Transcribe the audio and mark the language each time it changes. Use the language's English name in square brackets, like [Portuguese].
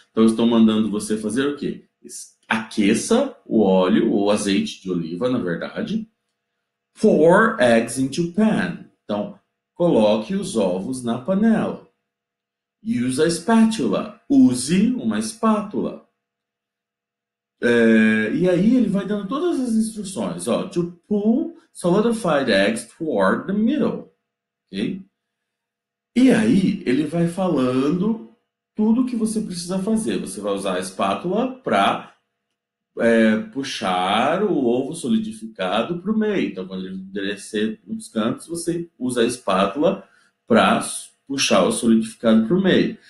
[Portuguese] Então eu estou mandando você fazer o quê? Aqueça o óleo, ou azeite de oliva, na verdade. [English] Pour eggs into pan. [Portuguese] Então, coloque os ovos na panela. Use a espátula. Use uma espátula. E aí ele vai dando todas as instruções. [English] Ó, to pull solidified eggs toward the middle. Okay? [Portuguese] E aí ele vai falando tudo o que você precisa fazer. Você vai usar a espátula para puxar o ovo solidificado para o meio. Então, quando ele endurecer nos cantos, você usa a espátula para puxar o solidificado para o meio.